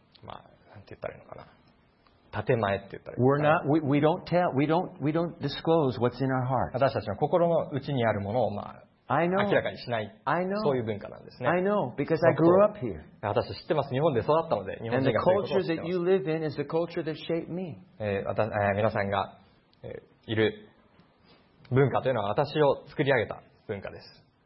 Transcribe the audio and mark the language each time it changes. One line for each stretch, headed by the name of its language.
Japanese: まあ、なんて言ったらいいのかな。建前って言ったらいいのかな。
English: We're not, we don't tell, we don't disclose what's in our heart.
Japanese: 私たちの心の内にあるものを、まあ、明らかにしない。
English: I know.
Japanese: そういう文化なんですね。
English: I know, because I grew up here.
Japanese: 私は知ってます。日本で育ったので、日本人が育ったので。
English: And the culture that you live in is the culture that shaped me.
Japanese: 皆さんが、いる文化というのは私を作り上げた文化です。